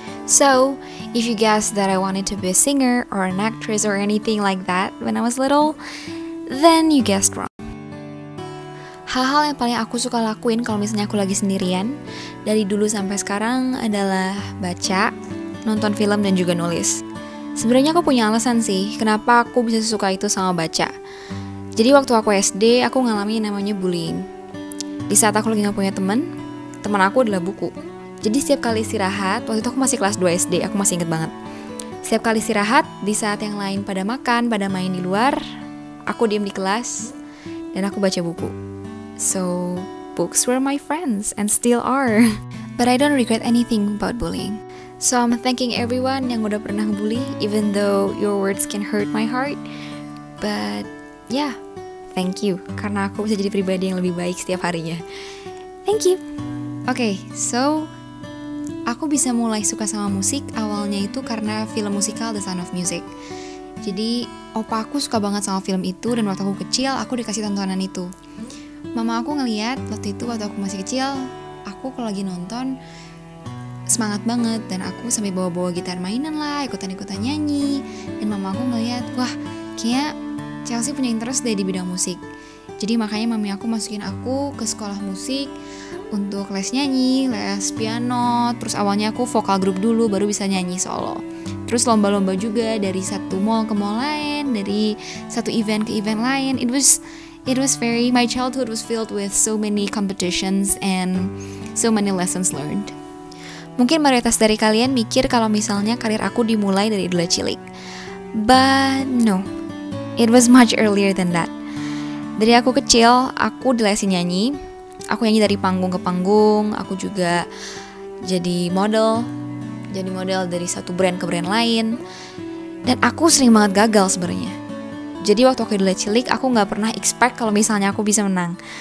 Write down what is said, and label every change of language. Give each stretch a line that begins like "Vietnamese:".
English: So, if you guessed that I wanted to be a singer or an actress or anything like that when I was little, then you guessed wrong.
Indonesian: Hal-hal yang paling aku suka lakuin kalau misalnya aku lagi sendirian dari dulu sampai sekarang adalah baca, nonton film, dan juga nulis. Sebenarnya aku punya alasan sih kenapa aku bisa suka itu sama baca. Jadi waktu aku SD, aku ngalami namanya bullying. Di saat aku lagi gak punya teman aku adalah buku. Jadi setiap kali istirahat, waktu itu aku masih kelas 2 SD, aku masih inget banget. Setiap kali istirahat, di saat yang lain pada makan, pada main di luar, aku diem di kelas, dan aku baca buku.
English: So, books were my friends, and still are. But I don't regret anything about bullying. So I'm thanking everyone
Indonesian: yang udah pernah bully,
English: even though your words can hurt my heart. But, yeah, thank you.
Indonesian: Karena aku bisa jadi pribadi yang lebih baik setiap harinya.
English: Thank you.
Indonesian: Okay, so aku bisa mulai suka sama musik awalnya itu karena film musikal The Sound of Music. Jadi, opa aku suka banget sama film itu dan waktu aku kecil aku dikasih tontonan itu. Mama aku ngeliat waktu itu waktu aku masih kecil, aku kalau lagi nonton semangat banget dan aku sambil bawa-bawa gitar mainan lah, ikutan-ikutan nyanyi. Dan mama aku ngeliat, wah kayak Chelsea punya interest deh di bidang musik. Jadi makanya mami aku masukin aku ke sekolah musik untuk les nyanyi, les piano. Terus awalnya aku vokal grup dulu, baru bisa nyanyi solo. Terus lomba-lomba juga dari satu mall ke mall lain, dari satu event ke event lain.
English: It was very, my childhood was filled with so many competitions and so many lessons learned.
Indonesian: Mungkin mayoritas dari kalian mikir kalau misalnya karir aku dimulai dari idola cilik.
English: But no, it was much earlier than that.
Indonesian: Dari aku kecil, aku dilesin nyanyi. Aku nyanyi dari panggung ke panggung. Aku juga jadi model. Jadi model dari satu brand ke brand lain. Dan aku sering banget gagal sebenarnya. Jadi waktu aku dilihat cilik, aku gak pernah expect kalau misalnya aku bisa menang.